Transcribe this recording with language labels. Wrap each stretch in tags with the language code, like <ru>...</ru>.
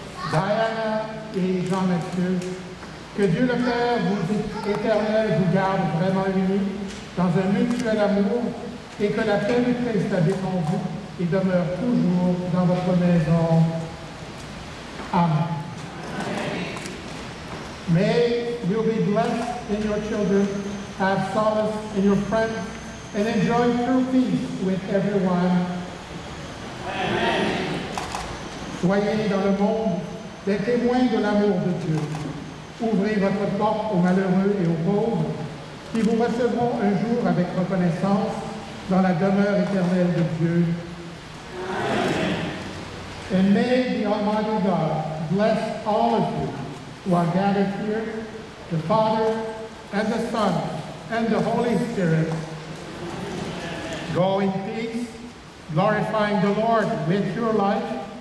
<fr>Diana et Jean-Mathieu, que Dieu le Père, vous éternel, vous garde vraiment unis dans un mutuel amour et que la paix du Christ habite en vous et demeure toujours dans votre maison. Amen.</fr> <en>May you be blessed in your children, have solace in your friends, and enjoy true peace with everyone. Amen.</en> <fr>Soyez dans le monde des témoins de l'amour de Dieu. Ouvrez votre porte aux malheureux et aux pauvres qui vous recevront un jour avec reconnaissance dans la demeure éternelle de Dieu. Amen.</fr> <en>And may the Almighty God bless all of you who are gathered here, the Father and the Son and the Holy Spirit. Amen. Go in peace, glorifying the Lord with your life.</en>